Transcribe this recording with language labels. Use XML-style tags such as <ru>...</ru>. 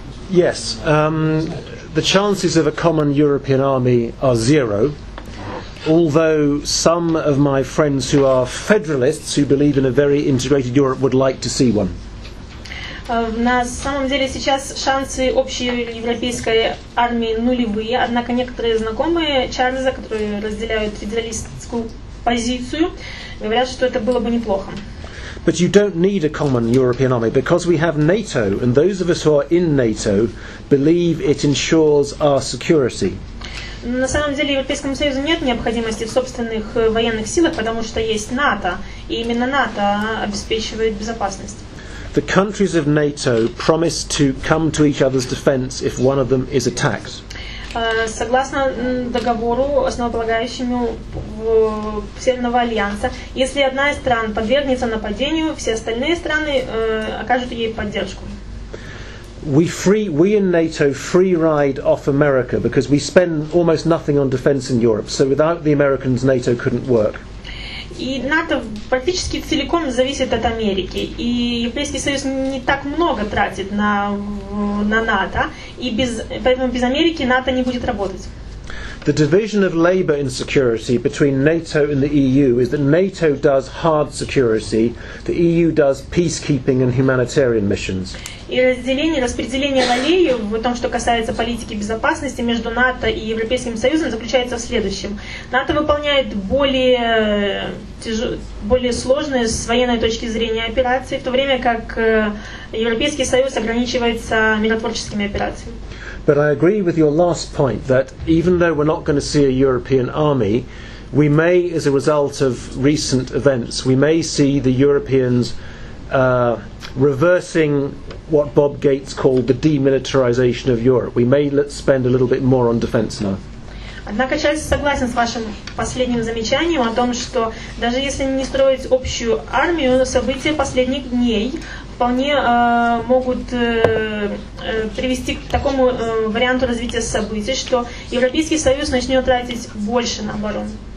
<en>Yes, the chances of a common European army are zero. Although some of my friends who are federalists, who believe in a very integrated Europe, would like to see one.</en> <ru>На самом деле сейчас шансы общей европейской армии нулевые, однако некоторые знакомые Чарльза, которые разделяют федералистскую позицию, говорят, что это было бы неплохо.</ru> <en>But you don't need a common European army because we have NATO, and those of us who are in NATO believe it ensures our security.</en> <ru>На самом деле в Европейском Союзе нет необходимости в собственных военных силах, потому что есть НАТО, и именно НАТО обеспечивает безопасность.</ru> <en>The countries of NATO promise to come to each other's defense if one of them is attacked.</en> <ru>Согласно договору, основополагающему Северного альянса, если одна из стран подвергнется нападению, все остальные страны окажут ей поддержку.</ru> <en>We in NATO free ride off America because we spend almost nothing on defense in Europe. So without the Americans, NATO couldn't work.</en> <ru>И НАТО практически целиком зависит от Америки. И Европейский Союз не так много тратит на НАТО, и поэтому без Америки НАТО не будет работать.</ru> <en>The division of labor in security between NATO and the EU is that NATO does hard security, the EU does peacekeeping and humanitarian missions.</en> <ru>И распределение ролей в том, что касается политики безопасности между НАТО и Европейским Союзом, заключается в следующем. НАТО выполняет более сложные с военной точки зрения операции, в то время как Европейский Союз ограничивается миротворческими операциями.</ru> <en>But I agree with your last point that even though we're not going to see a European army, we may, as a result of recent events, we may see the Europeans reversing what Bob Gates called the demilitarization of Europe. We may spend a little bit more on defense now.</en> <ru>Однако Чарльз согласен с вашим последним замечанием о том, что даже если не строить общую армию, события последних дней вполне могут привести к такому варианту развития событий, что Европейский Союз начнет тратить больше на оборону.</ru>